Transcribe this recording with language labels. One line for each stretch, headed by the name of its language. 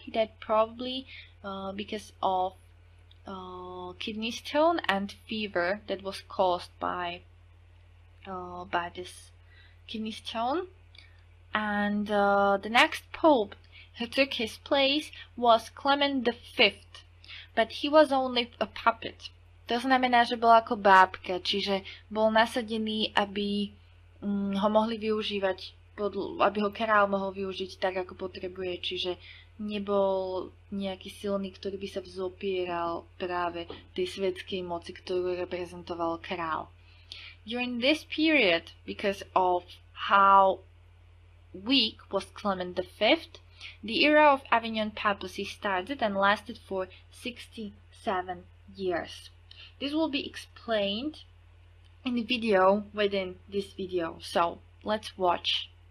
English: He died probably because of kidney stone and fever that was caused by this kidney stone. And the next Pope who took his place was Clement V, but he was only a puppet.
Slovak: To znamená, že bol ako bábka, čiže bol nasadený, aby ho mohli využívať, aby ho král mohol využiť tak, ako potrebuje, čiže nebol nejaký silný, ktorý by sa vzopieral práve tej svetskej moci, ktorú reprezentoval král.
English: During this period, because of how weak was Clement V, the era of Avignon papacy started and lasted for 67 years. This will be explained in the video within this video, so let's watch.